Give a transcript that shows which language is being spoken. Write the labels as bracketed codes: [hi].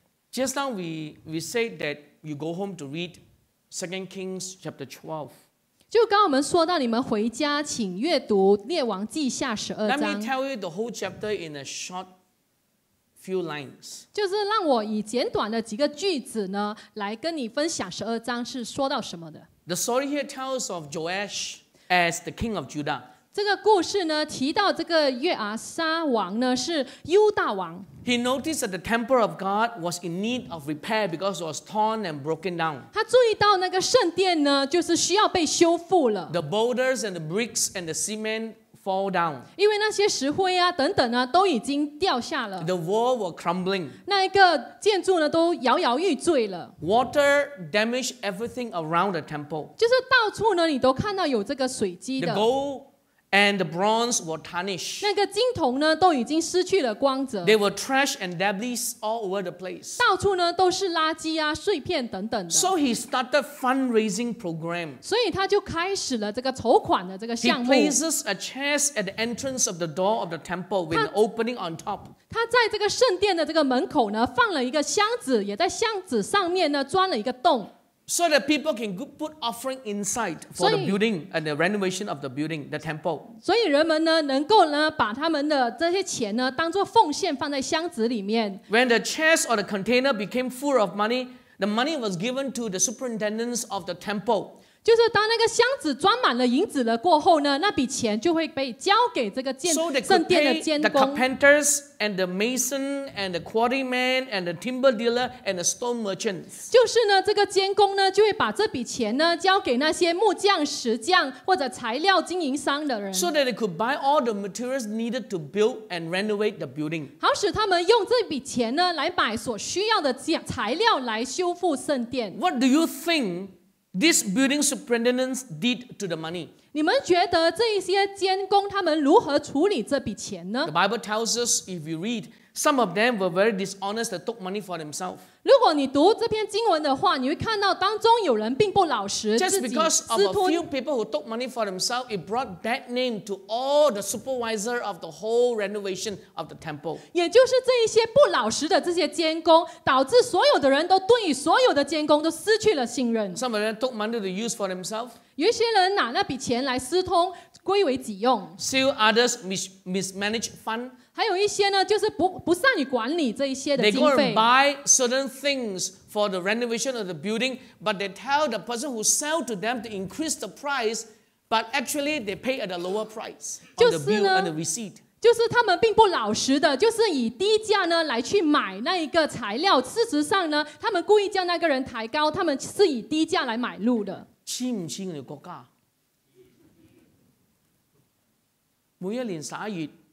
[en] Just now we said that you go home to read 2 Kings chapter 12 [zh] 就刚我们说到，你们回家请阅读《列王记下》十二章。 [en] Let me tell you the whole chapter in a short few lines. [zh] 就是让我以简短的几个句子呢，来跟你分享十二章是说到什么的。 [en] The story here tells of Joash as the king of Judah. [zh] 这个故事呢，提到这个约阿撒王呢是犹大王。 [en] He noticed that the temple of God was in need of repair because it was torn and broken down. [zh] 他注意到那个圣殿呢，就是需要被修复了。 [en] The boulders and the bricks and the cement fall down. [zh] 因为那些石灰啊等等啊都已经掉下了。 [en] The wall was crumbling. [zh] 那一个建筑呢都摇摇欲坠了。 [en] Water damaged everything around the temple. [zh] 就是到处呢你都看到有这个水迹的。 [en] The gold And the bronze were tarnished. [zh] 那个金铜呢，都已经失去了光泽。 [en] There were trash and debris all over the place. [zh] 到处呢都是垃圾啊、碎片等等的。 [en] So he started fundraising program. [zh] 所以他就开始了这个筹款的这个项目。 [en] He places a chest at the entrance of the door of the temple with an opening on top. [zh] 他在这个圣殿的这个门口呢，放了一个箱子，也在箱子上面呢钻了一个洞。 [en] So that people can put offering inside for the building and the renovation of the building, the temple. [zh] 所以人们呢，能够呢，把他们的这些钱呢，当作奉献放在箱子里面。 [en] When the chest or the container became full of money, the money was given to the superintendents of the temple. [zh] 就是当那个箱子装满了银子了过后呢，那笔钱就会被交给这个建圣殿的监工。 [en] So the carpenters and the mason and the quarryman and the timber dealer and the stone merchants. [zh] 就是呢，这个监工呢，就会把这笔钱呢交给那些木匠、石匠或者材料经营商的人。 [en] So that they could buy all the materials needed to build and renovate the building. [zh] 好使他们用这笔钱呢来买所需要的材料来修复圣殿。 [en] What do you think? This building superintendents did to the money. [zh] 你们觉得这一些监工他们如何处理这笔钱呢？ [en] The Bible tells us, if you read, some of them were very dishonest that took money for themselves. [zh] 如果你读这篇经文的话，你会看到当中有人并不老实，自己私吞。 [en] Just because of a few people who took money for themselves, it brought bad name to all the supervisor of the whole renovation of the temple. [zh] 也就是这一些不老实的这些监工，导致所有的人都对所有的监工都失去了信任。 [en] Some of them took money to use for themselves. [zh] 有一些人拿那笔钱来私吞，归为己用。 [en] Still others mismanaged fund. [zh] 还有一些呢，就是不善于管理这一些的经费。 [en] They go and buy certain things for the renovation of the building, but they tell the person who sell to them to increase the price, but actually they pay at a lower price on the bill and the receipt. [zh] 就是他们并不老实的，就是以低价呢来去买那一个材料。事实上呢，他们故意叫那个人抬高，他们是以低价来买路的。亲不亲的国家，每一年十二月。